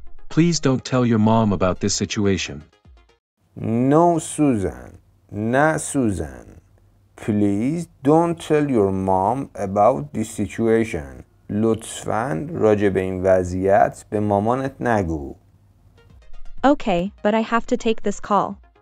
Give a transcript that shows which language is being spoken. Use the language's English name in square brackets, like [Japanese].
[English] Please don't tell your mom about this situation. No, Susan. نه, Susan. Please don't tell your mom about this situation. [Persian] لطفاً راجع به این وضعیت به مامانت نگو. [English] Okay, but I have to take this call.